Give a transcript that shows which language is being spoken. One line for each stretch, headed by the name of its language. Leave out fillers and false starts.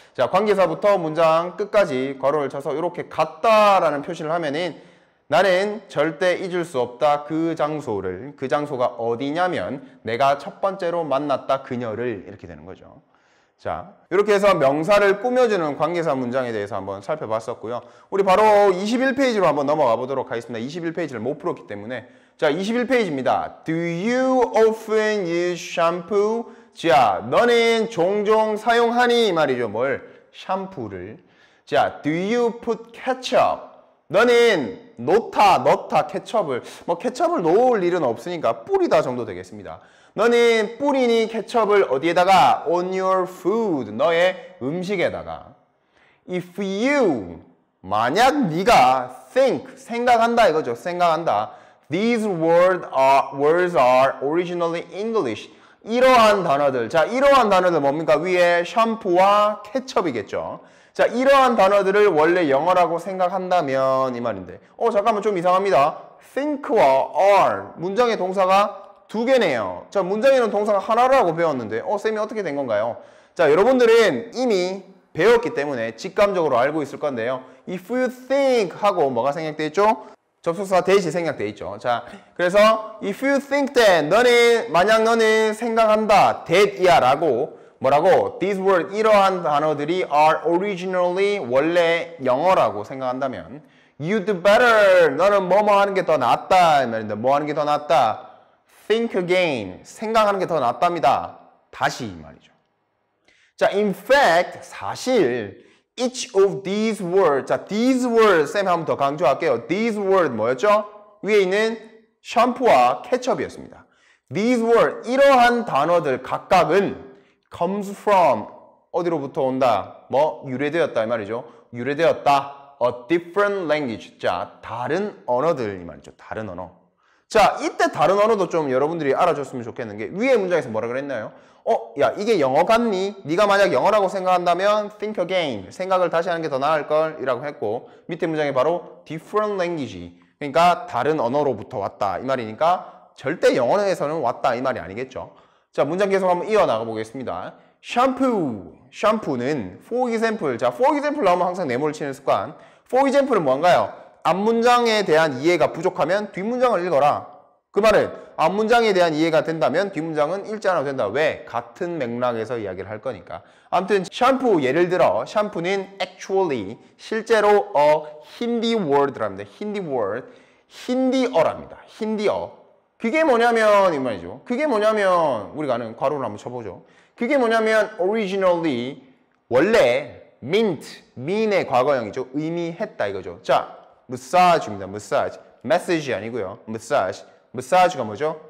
Korean: 자, 관계사부터 문장 끝까지 괄호를 쳐서 이렇게 갔다라는 표시를 하면은 나는 절대 잊을 수 없다. 그 장소를. 그 장소가 어디냐면, 내가 첫 번째로 만났다. 그녀를. 이렇게 되는 거죠. 자, 이렇게 해서 명사를 꾸며주는 관계사 문장에 대해서 한번 살펴봤었고요. 우리 바로 21페이지로 한번 넘어가 보도록 하겠습니다. 21페이지를 못 풀었기 때문에. 자, 21페이지입니다.
English: Do you often use shampoo?
Korean: 자, 너는 종종 사용하니? 말이죠. 뭘? 샴푸를.
English: 자, Do you put ketchup?
Korean: 너는 넣다, 케첩을. 뭐, 케첩을 넣을 일은 없으니까, 뿌리다 정도 되겠습니다. 너는 뿌리니 케첩을 어디에다가?
English: On your food.
Korean: 너의 음식에다가.
English: If you,
Korean: 만약 네가 think, 생각한다 이거죠. 생각한다.
English: These words are originally English.
Korean: 이러한 단어들. 자, 이러한 단어들 뭡니까? 위에 샴푸와 케첩이겠죠. 자, 이러한 단어들을 원래 영어라고 생각한다면 이 말인데. 잠깐만, 좀 이상합니다. think와 are. 문장의 동사가 두 개네요. 자, 문장에는 동사가 하나라고 배웠는데. 쌤이 어떻게 된 건가요? 자, 여러분들은 이미 배웠기 때문에 직감적으로 알고 있을 건데요. If you think 하고 뭐가 생략되어 있죠? 접속사 대시 생략되어 있죠. 자, 그래서
English: if you think that,
Korean: 너는, 만약 너는 생각한다. that이야 라고. 뭐라고?
English: These words,
Korean: 이러한 단어들이
English: are originally,
Korean: 원래 영어라고 생각한다면
English: You'd better,
Korean: 너는 뭐뭐 하는 게더 낫다. 뭐 하는 게더 낫다?
English: Think again,
Korean: 생각하는 게더 낫답니다. 다시 이 말이죠.
English: 자, in fact, 사실 each of these words, 자, these words,
Korean: 쌤이 한번 더 강조할게요.
English: These words,
Korean: 뭐였죠? 위에 있는 샴푸와 케첩이었습니다.
English: These words,
Korean: 이러한 단어들 각각은
English: comes from,
Korean: 어디로부터 온다? 뭐, 유래되었다, 이 말이죠. 유래되었다.
English: A different language.
Korean: 자, 다른 언어들, 이 말이죠. 다른 언어. 자, 이때 다른 언어도 좀 여러분들이 알아줬으면 좋겠는 게, 위에 문장에서 뭐라 그랬나요? 야, 이게 영어 같니? 네가 만약 영어라고 생각한다면,
English: think again.
Korean: 생각을 다시 하는 게더 나을 걸, 이라고 했고, 밑에 문장이 바로 different language. 그러니까, 다른 언어로부터 왔다, 이 말이니까, 절대 영어에서는 왔다, 이 말이 아니겠죠. 자, 문장 계속 한번 이어나가 보겠습니다. 샴푸는
English: for example.
Korean: 자, for example 나오면 항상 네모를 치는 습관. for example은 뭔가요? 앞문장에 대한 이해가 부족하면 뒷문장을 읽어라. 그 말은 앞문장에 대한 이해가 된다면 뒷문장은 읽지 않아도 된다. 왜? 같은 맥락에서 이야기를 할 거니까. 아무튼 샴푸, 예를 들어 샴푸는 actually, 실제로
English: a Hindi word
Korean: 랍니다.
English: Hindi word,
Korean: 힌디어랍니다. 힌디어. 그게 뭐냐면, 이 말이죠. 그게 뭐냐면, 우리가 아는 괄호를 한번 쳐보죠. 그게 뭐냐면, originally, 원래, mean의 과거형이죠. 의미했다, 이거죠. 자, massage입니다. massage. message 아니고요. massage. massage가 뭐죠?